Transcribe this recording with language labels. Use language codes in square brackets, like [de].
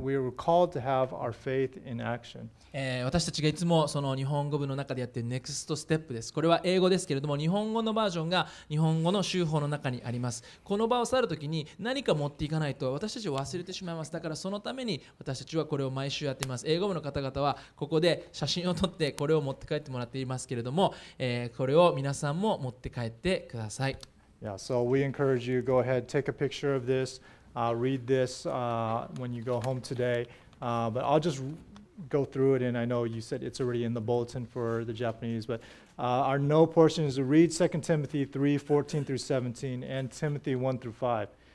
[en] We are called to have our faith in action. [ja] 私たちがいつもその日本語部の中でやっているネクストステップです。これは英語ですけれども、日本語のバージョンが日本語の修法の中にあります。この場を去るときに何か持っていかないと私たちは忘れてしまいます。だからそのために私たちはこれを毎週やっています。英語部の方々はここで写真を撮ってこれを持って帰ってもらっていますけれども、これを皆さんも持って帰ってください。 [en] Yeah, so we encourage you, go ahead, take a picture of this. Read this when you go home today. But I'll just go through it. And I know you said it's already in the bulletin for the Japanese. But our no portion is to read 2 Timothy 3, 14 through 17 and Timothy 1 through 5.